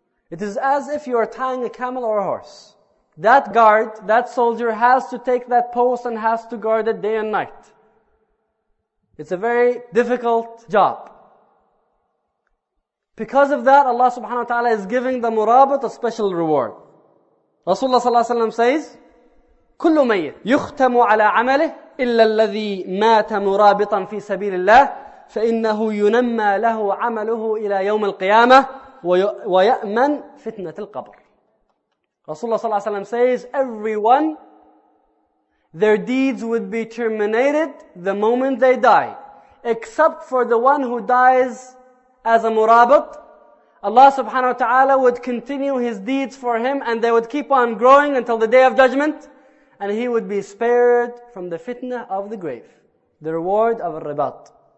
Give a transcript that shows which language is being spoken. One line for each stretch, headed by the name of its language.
English: It is as if you are tying a camel or a horse. That guard, that soldier has to take that post and has to guard it day and night. It's a very difficult job. Because of that, Allah subhanahu wa ta'ala is giving the murabit a special reward.
Arabic: Rasulullah sallallahu alayhi wa sallam
English: says,
Arabic: كُلُّ مَيِّتْ يُخْتَمُ عَلَىٰ عَمَلِهِ إِلَّا الَّذِي مَاتَ مُرَابِطًا فِي سَبِيلِ اللَّهِ فَإِنَّهُ يُنَمَّى لَهُ عَمَلُهُ إِلَىٰ يَوْمِ الْقِيَامَةِ وَيَأْمَنْ فِتْنَةِ الْقَبْرِ.
English: Rasulullah sallallahu alayhi wa sallam says, everyone, their deeds would be terminated the moment they die, except for the one who dies as a murabit. Allah subhanahu wa ta'ala would continue his deeds for him, and they would keep on growing until the Day of Judgment, and he would be spared from the fitna of the grave, the reward of al-ribat.